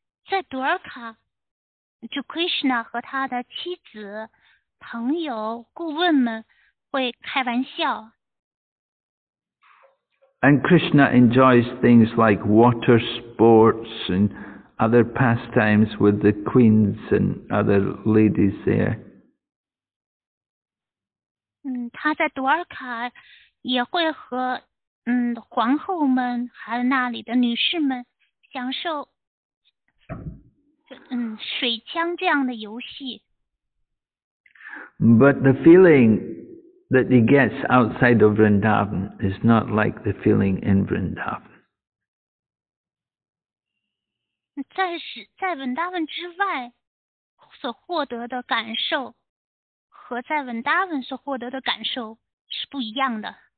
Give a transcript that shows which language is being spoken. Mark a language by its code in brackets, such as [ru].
[zh] 在 Dwarka, 就 Krishna 和他的妻子、朋友、顾问们会开玩笑。 [en] And Krishna enjoys things like water sports and other pastimes with the queens and other ladies there. [zh] 他在多尔卡也会和皇后们还有那里的女士们享受水枪这样的游戏。 [en] But the feeling that he gets outside of Vrindavan is not like the feeling in Vrindavan. [zh] 在 Vrindavan 之外所获得的感受和在 Vrindavan 所获得的感受是不一样的。